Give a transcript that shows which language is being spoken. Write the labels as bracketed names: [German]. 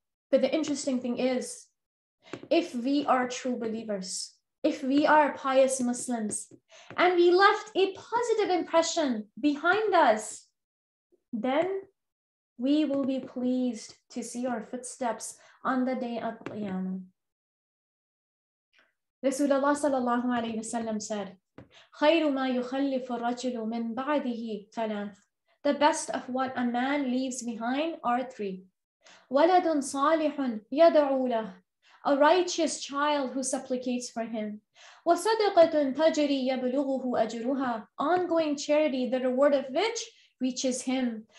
[English] But the interesting thing is, if we are true believers, if we are pious Muslims, and we left a positive impression behind us, then we will be pleased to see our footsteps on the day of Qiyamah. Rasulullah sallallahu alayhi wa sallam said, [Arabic] خَيْرُ مَا يُخَلِّفُ الرَّجِلُ مِنْ بَعْدِهِ ثَلَاثٌ. [English] The best of what a man leaves behind are three. [Arabic] وَلَدٌ صَالِحٌ يَدْعُو لَهُ. [English] A righteous child who supplicates for him. [Arabic] وَصَدَقَةٌ تَجْرِي يَبْلُغُهُ أَجْرُهَا. [English] Ongoing charity, the reward of which reaches him.